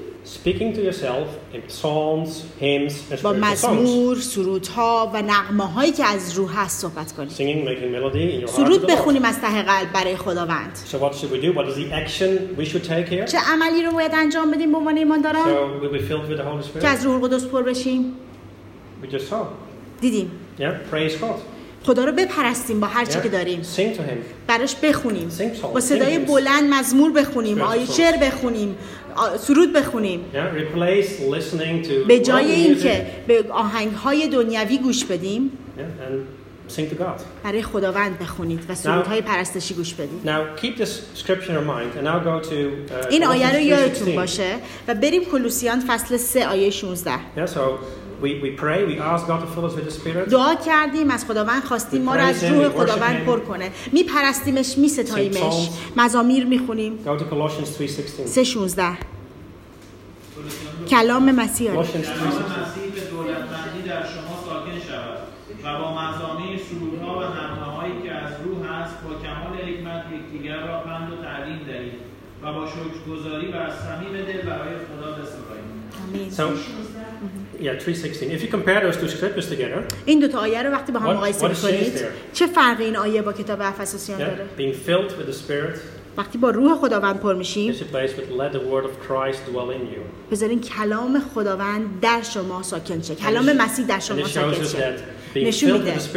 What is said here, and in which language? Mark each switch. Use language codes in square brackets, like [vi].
[en] Speaking to yourself in psalms, hymns, and spiritual songs. [fa] با مزمور، سرودها و نغمه‌هایی که از روح هست صحبت کنید. [en] Singing, making melody in your heart. [fa] سرود بخونیم از ته قلب برای خداوند. [en] So what should we do? What is the action we should take here? [fa] چه عملی رو باید انجام بدیم به عنوان ایمانداران؟ [en] So we'll be filled with the Holy Spirit. [fa] که از روح القدس پر بشیم. [en] We just saw. [fa] دیدیم. [en] Yeah, praise God. [fa] خدا رو بپرستیم با هر چی که داریم. [en] Sing to him. [fa] براش بخونیم. [en] Sing songs. [fa] با صدای بلند مزمور بخونیم، آیه شعر بخونیم، سرود بخونیم. [en] Replace listening to [fa] به جای اینکه به آهنگ‌های دنیوی گوش بدیم. [en] Sing to God. [fa] برای خداوند بخونید و سرودهای پرستشی گوش بدید. [en] Now keep this scripture in mind and I'll go to [fa] این آیه رو یادتون باشه و بریم کلوسیان فصل 3 آیه 16. [en] We pray, we ask God to fill us with His Spirit. [fa] دعا کردیم از خداوند خواستیم ما را از روح خداوند پر کنه. می پرستیمش، می ستاییمش. مزامیر می خونیم. [en] Go to Colossians 3:16. [fa] 3:16. کلام مسیح. مسیح به دولتمندی در شما ساکن شود و با مزامیر، سرودها و نغمه‌هایی که از روح هست با کمال حکمت یکدیگر را پند و تعلیم دهید و با شکرگزاری و از صمیم دل برای خدا بسپارید. آمین. [en] Yeah, 3:16. If you compare those two scriptures together, [fa] این دو تا آیه رو وقتی با هم مقایسه کنید، چه فرقی این آیه با کتاب افسوسیان داره؟ [en] Being filled with the Spirit. [fa] وقتی با روح خداوند پر میشیم. [en] It's a place with let the word of Christ dwell in you. [fa] بذارین کلام خداوند در شما ساکن شه. کلام مسیح در شما ساکن شه. نشون میده.